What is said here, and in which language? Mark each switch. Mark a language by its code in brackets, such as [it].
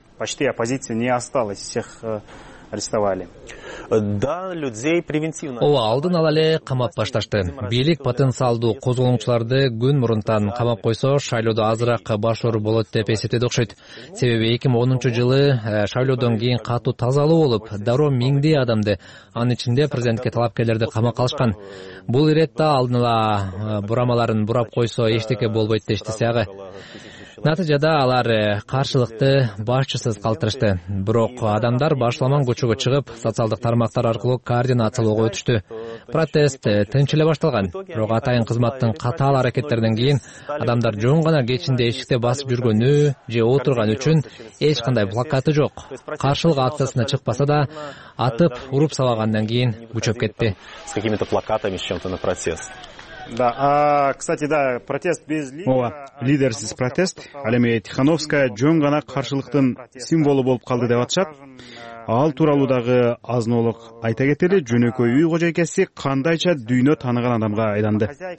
[ru] Почти оппозиция не осталась, всех арестовали. Да, людей превентивно. [ky] Ооба, алдын ала эле камап башташты. Бийлик потенциалдуу козголоңчуларды күн мурунтан камап койсо, шайлоодо азыраак башоор болот деп эсептеди окшойт. Себеби 2010-жылы шайлоодон кийин катуу тазалоо болуп, дароо миңдей адамды, анын ичинде президентке талапкерлерди камакка алышкан. Бул иретте алдын ала бурамаларын бурап койсо эчтеке болбойт дештиси ага. Натыйжада алар каршылыкты башчысыз калтырышты. Бирок адамдар башталман көчөгө чыгып, социалдык тармактар аркылуу координациялоого өтүштү. Протест тынч эле башталган. Бирок атайын кызматтын катаал аракеттеринен кийин адамдар жөн гана кечинде эшикте басып жүргөнү же отурган үчүн эч кандай плакаты жок. Каршылык акциясына чыкпаса да, атып уруп салгандан кийин күчөп кетти. [ru] С какими-то плакатами, с чем-то на протест. Да, кстати, да, протест без лидера. [ky] Ооба, лидерсиз протест. Ал эми Тихановская жөн гана каршылыктын символу болуп калды деп атышат. Ал тууралуу дагы азнолук айта кетели, жөнөкөй үй кожойкеси кандайча дүйнө тааныган адамга айланды.